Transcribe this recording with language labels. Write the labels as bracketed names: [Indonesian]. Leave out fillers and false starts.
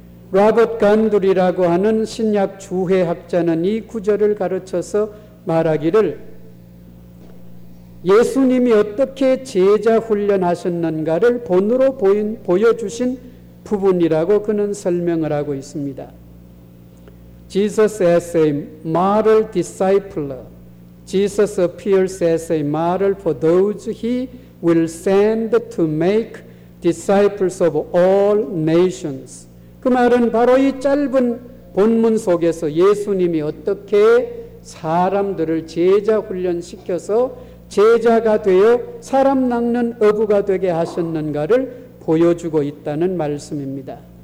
[Korean] 로버트 간두리라고 하는 신약 주회학자는 이 구절을 가르쳐서 말하기를 예수님이 어떻게 제자 훈련하셨는가를 본으로 보여주신 부분이라고 그는 설명을 하고 있습니다. [English] Jesus as a model discipler. Jesus appears as a model for those he will send to make disciples of all nations. [Korean] 그 말은 바로 이 짧은 본문 속에서 예수님이 어떻게 사람들을 제자 훈련시켜서 제자가 되어 사람 낚는 어부가 되게 하셨는가를 보여주고 있다는 말씀입니다.